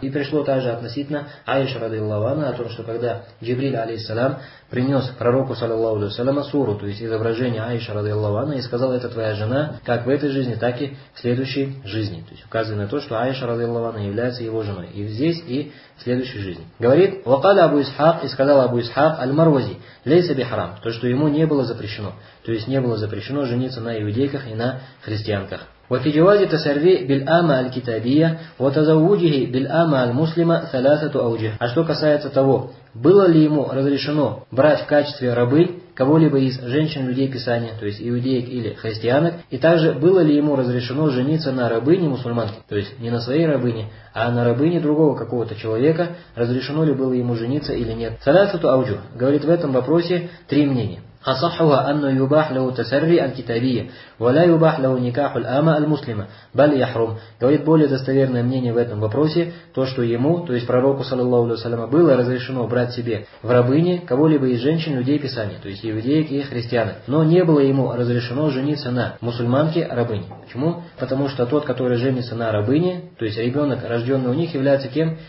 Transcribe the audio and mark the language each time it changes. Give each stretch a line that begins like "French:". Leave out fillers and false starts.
Russian: И пришло также относительно Аиши радиаллаху анха о том, что когда Джибриль алейхиссалям принес пророку, саллиллаху алейхи ва саллям, суру, то есть изображение Аиши радиаллаху анха, и сказал, это твоя жена как в этой жизни, так и в следующей жизни. То есть указывая на то, что Аиша радиаллаху анха является его женой и здесь, и в следующей жизни. Говорит,
Arabic: «Вакаля Абу Исхак»,
Russian: и сказал Абу Исхак,
Arabic: «Аль-Марвази лейса бихарам»,
Russian: то, что ему не было запрещено. То есть не было запрещено жениться на иудейках и на христианках.
Arabic: وفي جواز تسري بالآمة الكتابية وتزوجه بالآمة المسلمة ثلاثة أوجه.
Russian: А что касается того, было ли ему разрешено брать в качестве рабы кого-либо из женщин людей Писания, то есть иудеек или христианок, и также было ли ему разрешено жениться на рабыне мусульманке, то есть не на своей рабыне, а на рабыне другого какого-то человека, разрешено ли было ему жениться или нет.
Arabic: Саляту ауджу
Russian: говорит в этом вопросе три мнения.
Arabic: أصحها أنه يباح له تسري الكتابية ولا يباح له نكاح الآمة المسلمة بل يحرم.
Russian: Говорит более достоверное мнение в этом вопросе, то, что ему, то есть пророку, саллаллаху алейхи ва саллям, было разрешено брать себе в рабыне кого-либо из женщин людей Писания, то есть иудеек и христианок, но не было ему разрешено жениться на мусульманке рабыне. Почему? Потому что тот, который женится на рабыне, то есть ребенок, рожденный у них, является кем?